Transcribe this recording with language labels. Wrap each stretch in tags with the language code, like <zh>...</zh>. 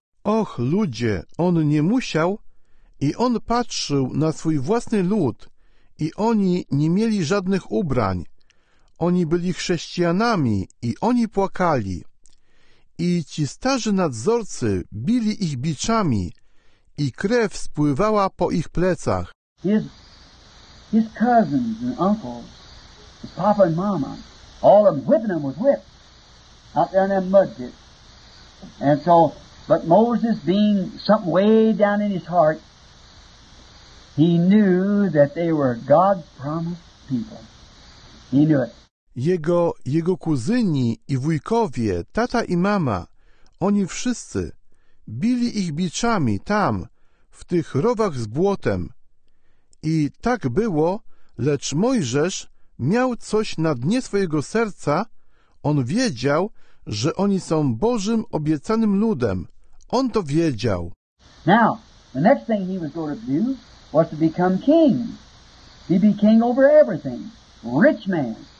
<pl>Och, ludzie! On nie musiał, i on patrzył na swój własny lud, i oni nie mieli żadnych ubrań. Oni byli chrześcijanami, i oni płakali. I ci starzy nadzorcy bili ich biczami i krew spływała po ich plecach.</pl> <en>His cousins and uncles, his papa and mama, all of them whipping them with whips out there in that mud pit. And so, but Moses being something way down in his heart, he knew that they were God's promised people. He knew it.</en> <pl>Jego kuzyni i wujkowie, tata i mama, oni wszyscy bili ich biczami tam, w tych rowach z błotem. I tak było, lecz Mojżesz miał coś na dnie swojego serca. On wiedział, że oni są Bożym obiecanym ludem. On to wiedział.</pl> <en>Now, the next thing he was going to do was to become king. He'd be king over everything. Rich man.</en>